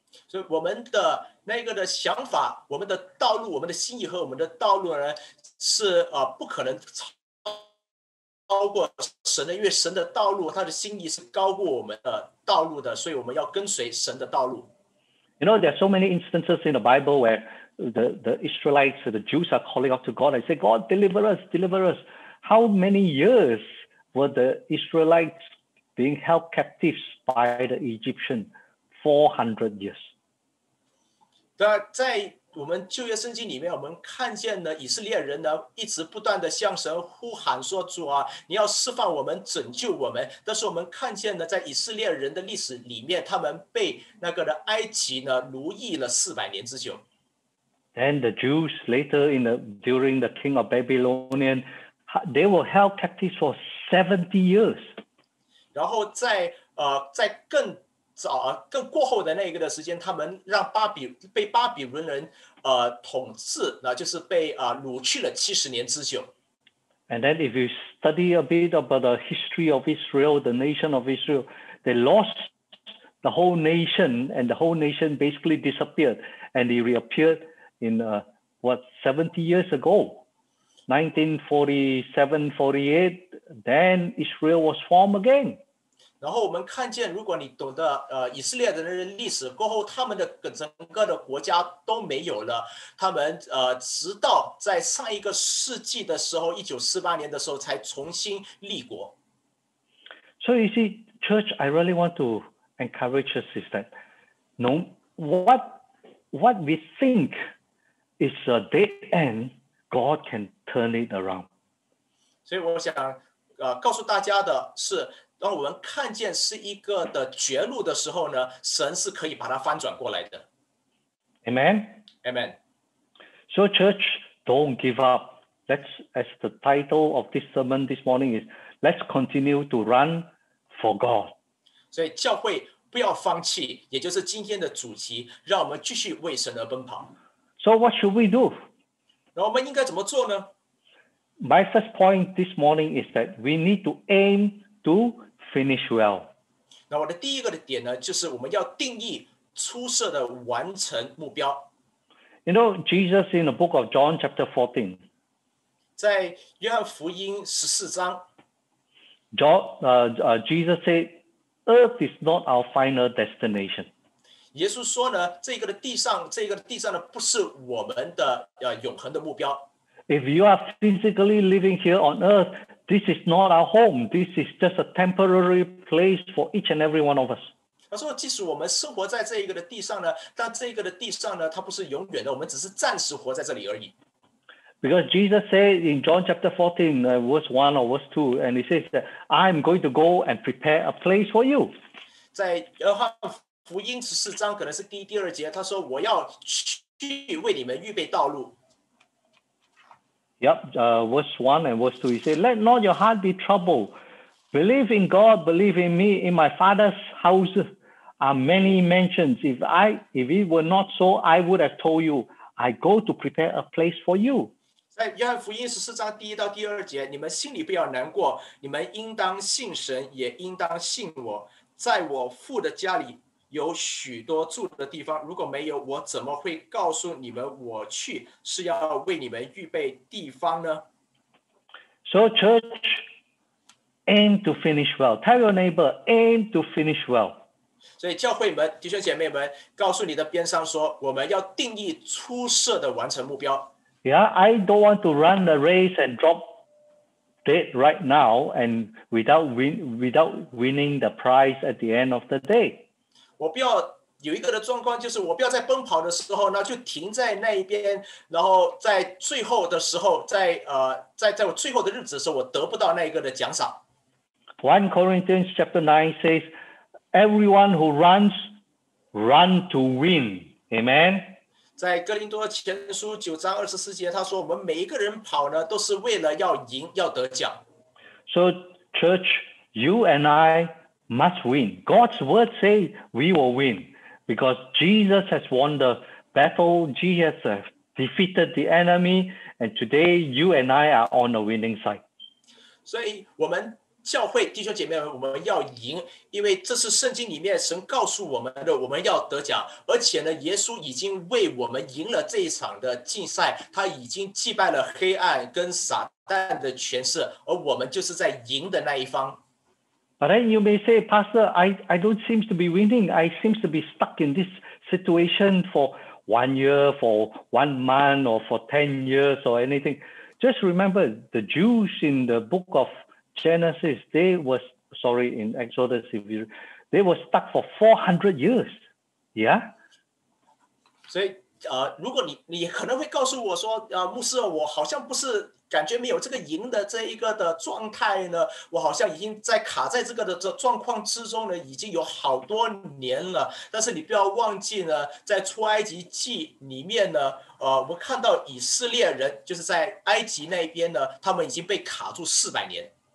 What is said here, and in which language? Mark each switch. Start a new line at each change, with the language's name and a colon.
Chinese: So, 我们的那个的想法，我们的道路，我们的心意和我们的道路呢，是不可能超过神的，因为神的道路，他的心意是高过我们的道路的，所以我们要跟随神的道路。
English: You know, there are so many instances in the Bible where the Israelites, the Jews are calling out to God and say, God, deliver us, deliver us. How many years? Were the Israelites being held captives by the Egyptians 400 years?
Chinese: 对，在我们旧约圣经里面，我们看见呢，以色列人呢一直不断的向神呼喊说：“主啊，你要释放我们，拯救我们。” 但是我们看见呢，在以色列人的历史里面，他们被那个的埃及呢奴役了400年之久。
English: Then the Jews later in the during the king of Babylonian, they were held captives for 70 years.
Chinese: 然后在更早更过后的那个的时间，他们让被巴比伦人统治，那就是被掳去了70年之久。
English: And then if you study a bit about the history of Israel, the nation of Israel, they lost the whole nation and the whole nation basically disappeared and they reappeared in 70 years ago. 1947-48, then Israel was formed again.
Chinese: 然后我们看见，如果你懂得以色列人的历史过后，他们的整个的国家都没有了。他们直到在上一个世纪的时候，1948年的时候才重新立国。
English: So you see, church, I really want to encourage us is that, no, what we think is a dead end. God can turn it around.
Chinese: 所以我想告诉大家的是，当我们看见是一个的绝路的时候呢，神是可以把它翻转过来的。
English: Amen. Amen. So church, don't give up. Let's, as the title of this sermon this morning is, let's continue to run for God.
Chinese: 所以教会不要放弃，也就是今天的主题，让我们继续为神而奔跑。
English: So what should we do?
Chinese: 那我们应该怎么做呢？
English: My first point this morning is that we need to aim to finish well.
Chinese: 那我的第一个的点呢，就是我们要定义出色的完成目标。
English: You know, Jesus in the book of John chapter 14.
Chinese: 在约翰福音十四章。
English: Jesus said, Earth is not our final destination.
Chinese: 耶稣说呢，这个地上呢，不是我们的永恒的目标。
English: If you are physically living here on earth, this is not our home. This is just a temporary place for each and every one of us.
Chinese: 他说，即使我们生活在这一个的地上呢，但这个的地上呢，它不是永远的，我们只是暂时活在这里而已。
English: Because Jesus said in John chapter 14, verse 1 or verse 2, and he says that I'm going to go and prepare a place for you.
Chinese: 在约翰福音十四章，可能是第二节，他说我要去为你们预备道路。
English: Yep, verse 1 and verse 2, he said, Let not your heart be troubled. Believe in God, believe in me. In my Father's house are many mansions. If it were not so, I would have told you, I go to prepare a place for you.
Chinese: 在约翰福音十四章第一到第二节，你们心里不要难过，你们应当信神，也应当信我。在我父的家里有许多住的地方，如果没有，我怎么会告诉你们我去是要为你们预备地方呢？
English: So church, aim to finish well. Tell your neighbor, aim to finish well.
Chinese: 所以教会们，弟兄姐妹们，告诉你的边上说，我们要定义出色的完成目标。
English: Yeah, I don't want to run the race and drop dead right now and without winning the prize at the end of the day.
Chinese: 我不要有一个的状况，就是我不要在奔跑的时候呢，就停在那一边，然后在最后的时候，在我最后的日子的时候，我得不到那一个的奖赏。
English: 1 Corinthians chapter 9 says, Everyone who runs, run to win. Amen.
Chinese: 在哥林多前书九章二十四节，他说：“我们每一个人跑呢，都是为了要赢，要得奖。”
English: So, church, you and I must win. God's word says we will win because Jesus has won the battle. Jesus has defeated the enemy, and today you and I are on the winning side.
Chinese: 所以，我们教会弟兄姐妹们，我们要赢，因为这是圣经里面神告诉我们的，我们要得奖。而且呢，耶稣已经为我们赢了这一场的竞赛，他已经击败了黑暗跟撒旦的权势，而我们就是在赢的那一方。
English: But then you may say, Pastor, I don't seem to be winning. I seem to be stuck in this situation for 1 year, for 1 month, or for 10 years, or anything. Just remember, the Jews in the book of Genesis, in Exodus, they were stuck for 400 years. Yeah?
Chinese: 所以如果你可能会告诉我说牧师，我好像不是感觉没有这个赢的这一个的状态呢，我好像已经在卡在这个的状况之中呢，已经有好多年了。但是你不要忘记呢，在出埃及记里面呢，我们看到以色列人就是在埃及那边呢，他们已经被卡住400年。